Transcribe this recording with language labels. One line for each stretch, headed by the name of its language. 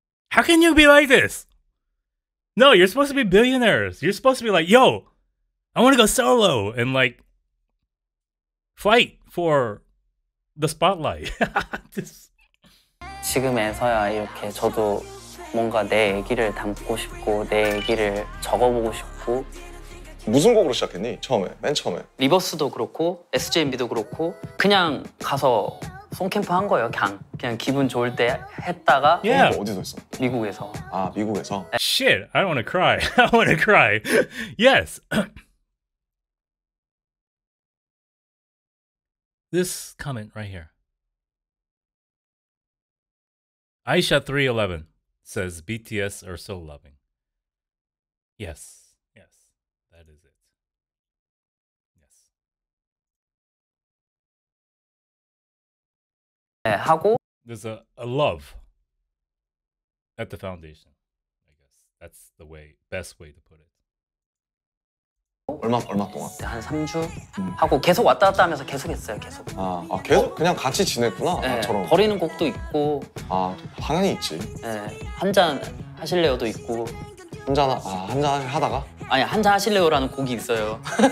English: How can you be like this? No, you're supposed to be billionaires. You're supposed to be like, yo, I want to go solo and like fight for the spotlight.
Korean: 지금에서야 이렇게 저도 뭔가 내 얘기를 담고 싶고 내 얘기를 적어보고 싶고. 무슨 곡으로 시작했니? 처음에, 맨 처음에. 리버스도 그렇고 SJMB도 그렇고 그냥 가서 송캠프 한 거예요, 걍. 그냥 기분 좋을 때 했다가. Yeah. 어, 어디서 했어? 미국에서. 아, 미국에서?
English: Shit, I wanna cry. I wanna cry. Yes. This comment right here. Aisha311 says BTS are so loving. Yes. Yes. That is it. Yes.
Korean: 네, 하고
English: there's a love at the foundation. I guess that's the way best way to put it.
Korean: 얼마 동안? 한 3주 하고 계속 왔다 갔다 하면서 계속 했어요, 계속. 아, 계속 그냥 같이 지냈구나, 네, 나처럼. 버리는 곡도 있고. 아, 당연히 있지. 네, 한잔 하실래요도 있고. 한잔 하다가? 아니, 한잔 하실래요라는 곡이 있어요.